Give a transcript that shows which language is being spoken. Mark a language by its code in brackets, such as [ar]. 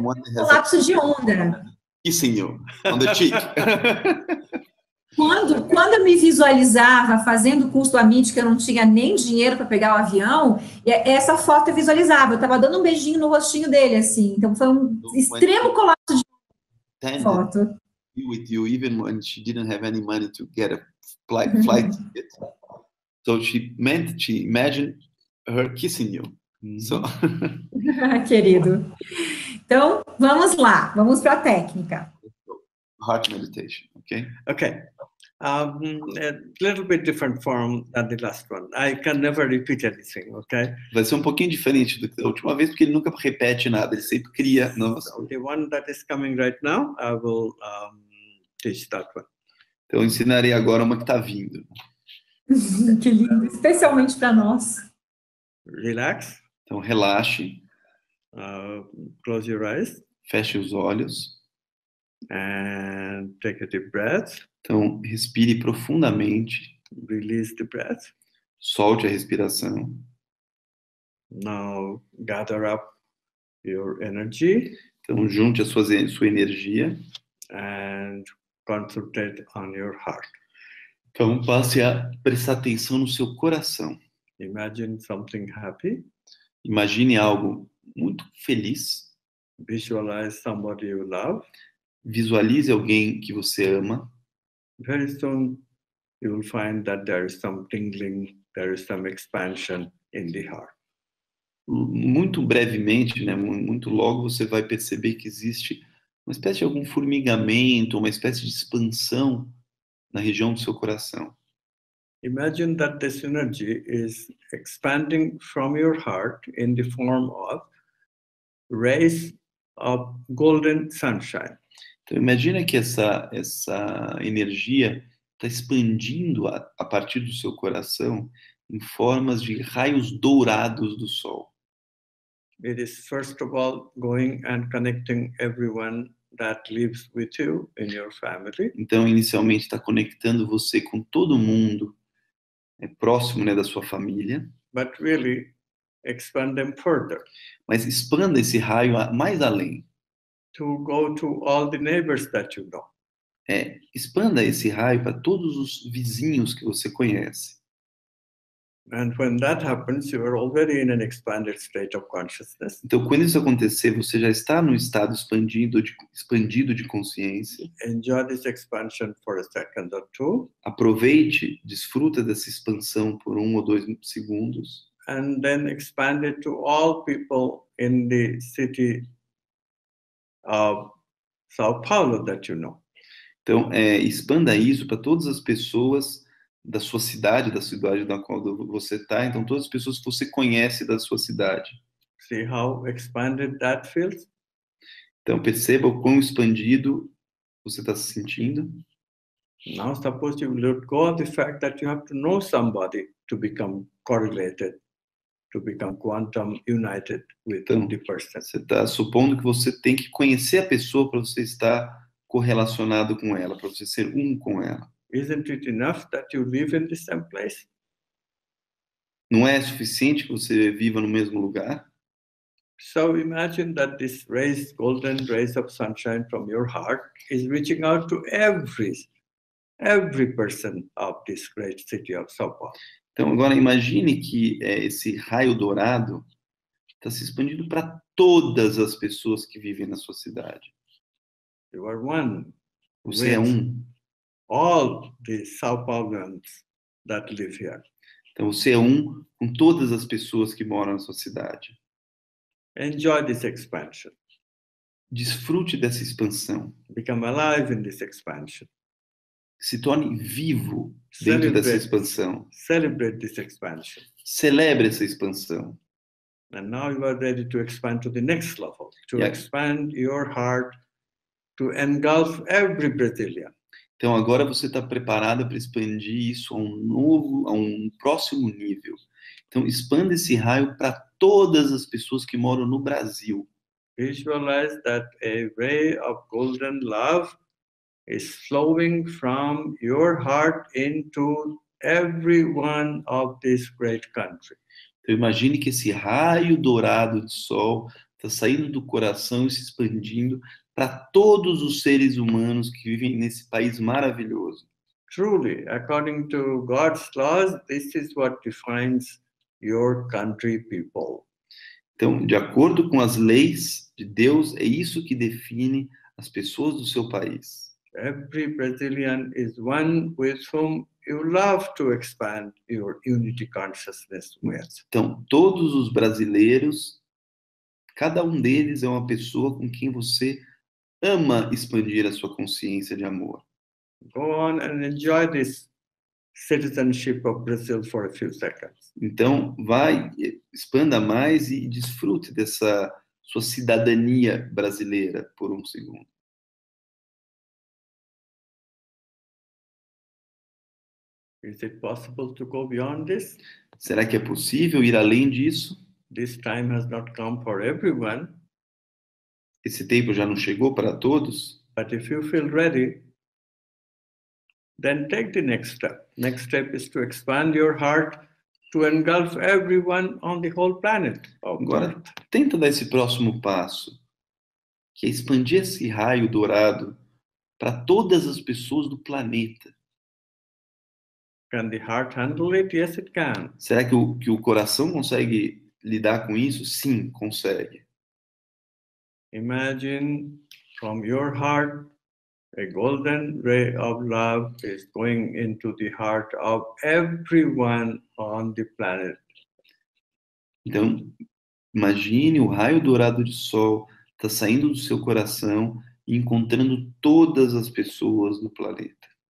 [pt] monte de colapso de onda. E senhor, onda chique. Quando eu me visualizava fazendo curso do Amit, que eu não tinha nem dinheiro para pegar o avião, essa foto eu visualizava. Eu estava dando um beijinho no rostinho dele, assim. Então foi um extremo colapso de onda. Foto. [en] Be with you, even when she didn't have any money to get a flight ticket. So she imagined her kissing you. So. [pt] Querido. Então, vamos lá. Vamos para a técnica. [en] Heart meditation, okay? Okay. A little bit different form than the last one. I can never repeat anything, okay? [pt] Vai ser um pouquinho diferente do que da última vez, porque ele nunca repete nada, ele sempre cria novas. [en] So the one that is coming right now, I will teach that one. [pt] Então, eu ensinarei agora uma que está vindo. Que lindo, especialmente para nós. [en] Relax. [pt] Então relaxe. [en] Close your eyes. [pt] Feche os olhos. [en] And take a deep breath. [pt] Então respire profundamente. [en] Release the breath. [pt] Solte a respiração. [en] Now gather up your energy. [pt] Então junte a sua energia. [en] And concentrate on your heart. [pt] Então passe a prestar atenção no seu coração. [en] Imagine something happy. [pt] Imagine algo muito feliz. [en] Visualize somebody you love. [pt] Visualize alguém que você ama. [en] Very soon you will find that there is some tingling, there is some expansion in the heart. [pt] Muito brevemente, né? Muito logo você vai perceber que existe uma espécie de algum formigamento, uma espécie de expansão na região do seu coração. [en] Imagine that this energy is expanding from your heart in the form of rays of golden sunshine. [pt] Então imagina que essa energia está expandindo a partir do seu coração em formas de raios dourados do sol. [en] It is first of all going and connecting everyone that lives with you in your family. [pt] Então inicialmente está conectando você com todo mundo. É próximo, né, da sua família. [en] But really, expand them further. [pt] Mas expanda esse raio mais além. [en] To go to all the neighbors that you know. [pt] É, expanda esse raio para todos os vizinhos que você conhece. [en] And when that happens, you are already in an expanded state of consciousness. [pt] Então, quando isso acontecer, você já está no estado expandido de consciência. [en] Enjoy this expansion for a second or two. [pt] Aproveite, desfruta dessa expansão por 1 ou 2 segundos. [en] And then expand it to all people in the city of São Paulo that you know. [pt] Então, expanda isso para todas as pessoas da sua cidade, da cidade na qual você está, então todas as pessoas que você conhece da sua cidade. [en] See how expanded that feels? [pt] Então perceba o quão expandido você está se sentindo. [en] Now suppose you let go of the fact that you have to know somebody to become correlated, to become quantum united with [pt] então, [en] the person. [pt] Você está supondo que você tem que conhecer a pessoa para você estar correlacionado com ela, para você ser um com ela. [en] Isn't it enough that you live in the same place? [pt] Não é suficiente que você viva no mesmo lugar? [en] So imagine that this rays, golden rays of sunshine from your heart is reaching out to every person of this great city of São Paulo. [pt] Então agora imagine que esse raio dourado está se expandindo para todas as pessoas que vivem na sua cidade. [en] You are one. [pt] Você é um. [en] All the São Paulians that live here. [pt] Então você é um com todas as pessoas que moram na sua cidade. [en] Enjoy this expansion. [pt] Desfrute dessa expansão. [en] Become alive in this expansion. [pt] Se torne vivo dentro dessa expansão. [en] Celebrate this expansion. [pt] Celebre essa expansão. [en] And now you are ready to expand to the next level, to expand your heart to engulf every Brazilian. [pt] Então agora você está preparada para expandir isso a um próximo nível. Então expanda esse raio para todas as pessoas que moram no Brasil. [en] Visualize that a ray of golden love is flowing from your heart into every one of this great country. [pt] Então imagine que esse raio dourado de sol está saindo do coração e se expandindo para todos os seres humanos que vivem nesse país maravilhoso. [en] Truly, according to God's laws, this is what defines your country people. [pt] Então, de acordo com as leis de Deus, é isso que define as pessoas do seu país. [en] Every Brazilian is one with whom you love to expand your unity consciousness with. [pt] Então, todos os brasileiros, cada um deles é uma pessoa com quem você ama expandir a sua consciência de amor. [en] Go on and enjoy this citizenship of Brazil for a few seconds. [pt] Então, vai, expanda mais e desfrute dessa sua cidadania brasileira por 1 segundo. [en] Is it possible to go beyond this? [pt] Será que é possível ir além disso? [en] This time has not come for everyone. [pt] Esse tempo já não chegou para todos. [en] But if you feel ready, then take the next step. Next step is to expand your heart to engulf everyone on the whole planet. [pt] Agora, tenta dar esse próximo passo, que é expandir esse raio dourado para todas as pessoas do planeta. [en] Can the heart handle it? Yes, it can. [pt] Será que o coração consegue lidar com isso? Sim, consegue. [en] Imagine from your heart a golden ray of love is going into the heart of everyone on the planet. [pt] Então, imagine o raio dourado de sol está saindo do seu coração e encontrando todas as pessoas do planeta.